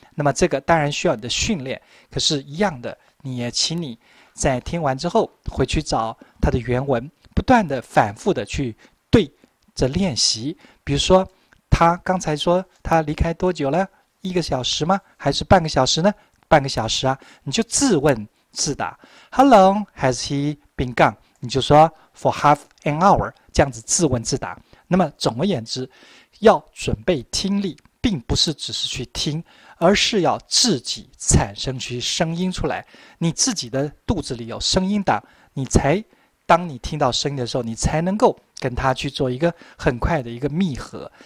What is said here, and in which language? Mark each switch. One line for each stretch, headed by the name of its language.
Chinese: 那么这个当然需要你的训练，可是一样的，你也请你在听完之后回去找它的原文，不断的反复的去对着练习。比如说他刚才说他离开多久了，一个小时吗？还是半个小时呢？半个小时啊，你就自问自答。
English: How long has he been gone?
Chinese: 你就说
English: for half an hour,
Chinese: 这样子自问自答。那么总而言之，要准备听力，并不是只是去听，而是要自己产生出声音出来。你自己的肚子里有声音的，你才当你听到声音的时候，你才能够跟他去做一个很快的一个密合。